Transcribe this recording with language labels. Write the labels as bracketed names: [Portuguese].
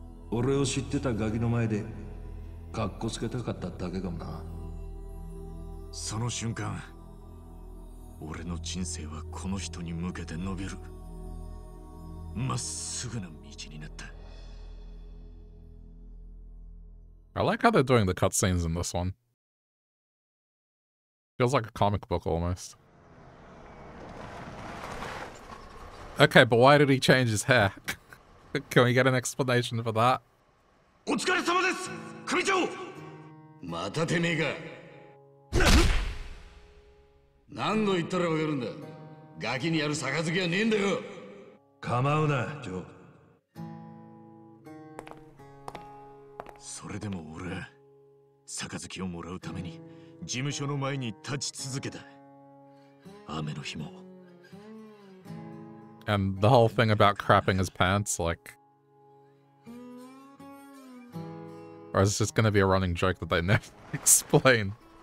[Japanese] 俺を知ってたガキの前でカッコつけたかっただけかもな。その瞬間俺の人生はこの人に向けて伸びるまっすぐな道になった。 [English] I like how they're doing the cutscenes in this one. Feels like a comic book almost. Okay, but why did he change his hair? Can we get an explanation for that? [Japanese] お疲れ様です、組長。またてめえか。何度言ったらわかるんだ。ガキにやる杯はねえんだよ。構うな、ジョー。それでも俺、杯をもらうために事務所の前に立ち続けた。雨の日も。 [English] And the whole thing about crapping his pants, like... Or is this just gonna be a running joke that they never explain?